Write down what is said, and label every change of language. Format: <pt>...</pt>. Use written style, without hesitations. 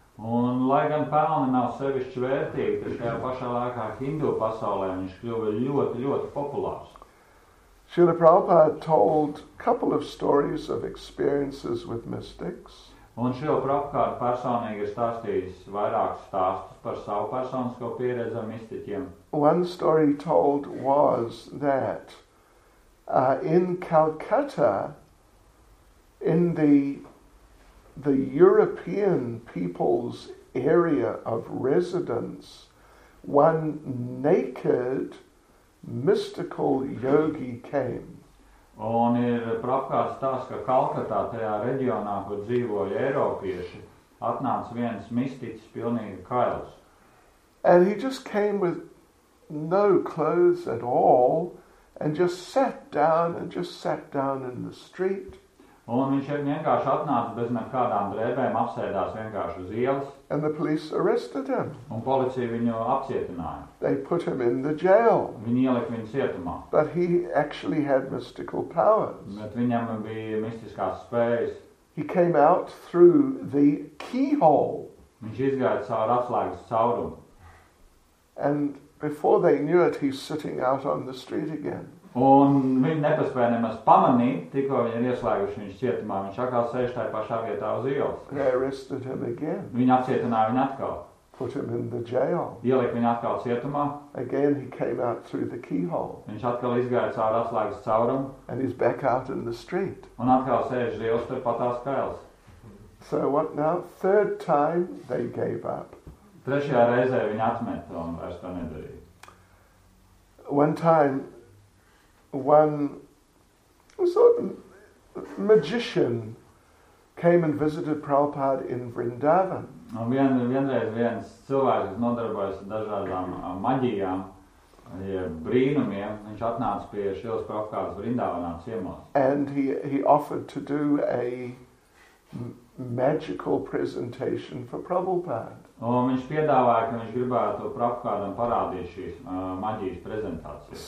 <lv>Un, lai gan pelni nav sevišķi vērtīgi, tad šajā pašā laikā Hindu pasaulē viņš kļuva ļoti, ļoti populārs.</lv> <en>Srila Prabhupada told a couple of stories of experiences with mystics.</en> <lv>Un Srila Prabhupada personīgi ir stāstījis vairākus stāstus par savu personisko pieredzi ar mistiķiem.</lv> <en>One story told was that in Calcutta, in the European people's area of residence, one naked mystical yogi came.</en> <lv>Un ir prapkārt stāsts, ka Kalkatā, tajā reģionā, kur dzīvoja Eiropieši, atnāca viens mistiķis pilnīgi kails.</lv> <en>And he just came with no clothes at all and just sat down and in the street.</en> <lv>Un viņš vienkārši atnāca bez nekādām drēbēm, apsēdās vienkārši uz ielas.</lv> <en>And the police arrested him.</en> <lv>Un policija viņu apcietināja.</lv> <en>They put him in the jail.</en> <lv>Viņi ielika viņu cietumā.</lv> <en>But he actually had mystical powers.</en> <lv>Bet viņam bija mistiskās spējas.</lv> <en>He came out through the keyhole.</en> <lv>Viņš izgāja caur atslēgas caurumu.</lv> <en>And before they knew it, he's sitting out on the street again.</en> <lv>Un viņi nepaspēja nemaz pamanīt, tikko viņi ir ieslēguši viņš cietumā, viņš atkal sēž tajā pašā vietā uz ielas.</lv> <en>They arrested him again.</en> <lv>Viņi apcietināja viņu atkal.</lv> <en>Put him in the jail.</en> <lv>Ielika viņu atkal cietumā.</lv> <en>Again he came out through the keyhole.</en> <lv>Viņš atkal izgāja caur atslēgas caurumu.</lv> <en>And he's back out in the street.</en> <lv>Un atkal sēž ielas tur patās kailas.</lv> <en>So what now? Third time they gave up.</en> <lv>Trešajā reizē viņi atmeta un vairs to nedarīja.</lv> <en>One time one sort of magician came and visited Prabhupada in Vrindavan.</en> <lv>Un vienreiz viens cilvēks nodarbojas ar dažādām maģijām, brīnumiem, viņš atnāca pie Šrilas Prabhupādas Vrindavanā ciemos.</lv> <en>And he offered to do a magical presentation for Prabhupada.</en> <lv>Un viņš piedāvāja, ka viņš gribētu Prabhupādam parādīt šīs maģijas prezentācijas.</lv>